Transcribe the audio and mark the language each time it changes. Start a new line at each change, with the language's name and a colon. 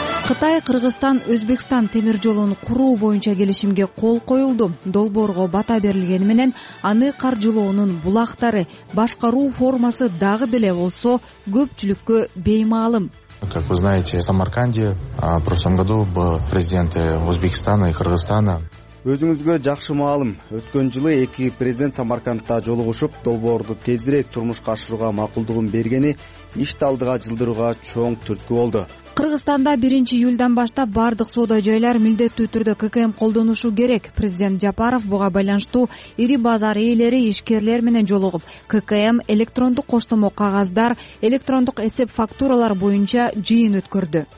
Kyrgyz: Кытай, Кыргызстан, Өзбекстан темир жолун куруу боюнча келишимге кол коюлду. Долбоорго бата берилгени менен аны каржылоонун булактары, башкаруу формасы дагы деле болсо көпчүлүккө беймаалым.
Russian: Как вы знаете, в Самарканде в прошлом году был президент Узбекистана и Кыргызстана.
Kyrgyz: Өзүңүзгө жакшы маалым. Өткөн жылы эки президент Самаркандта жолугушуп, долбоорду тезирээк турмушка ашырууга макулдугун бергени ишти алдыга жылдырууга чоң түрткү болду. Кыргызстанда 1-июлдан баштап бардык соода жайлар милдеттүү түрдө ККМ колдонушу керек. Президент Жапаров буга байланыштуу ири базар ээлери, ишкерлер менен жолугуп, ККМ электрондук коштомо кагаздар, электрондук эсеп фактуралар боюнча жыйын өткөрдү.